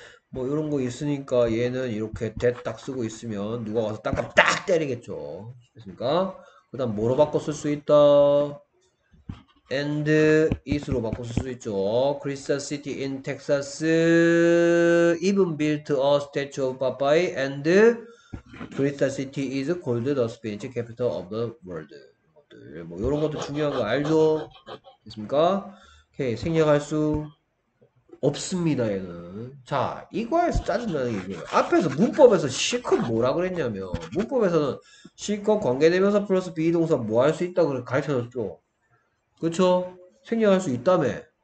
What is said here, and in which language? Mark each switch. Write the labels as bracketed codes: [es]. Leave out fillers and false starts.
[ko] 뭐, 이런 거 있으니까 얘는 이렇게 that 딱 쓰고 있으면 누가 와서 딱딱 때리겠죠. 그니까, 그 다음 뭐로 바꿔 쓸수 있다? and it로 바꿔 쓸수 있죠. [en] Crystal City in Texas, even built a statue of Popeye and Crystal City is called the Spanish capital of the world. [ko] 뭐 이런 것도 중요한 거 알죠? 됐습니까? 오케이, 생략할 수 없습니다, 얘는. 자, 이거에서 짜증나는 게 이거예요. 앞에서 문법에서 실컷 뭐라 그랬냐면, 문법에서는 실컷 관계대명사 플러스 비동사 뭐할수 있다고 가르쳐줬죠. 그쵸? 생략할 수 있다며.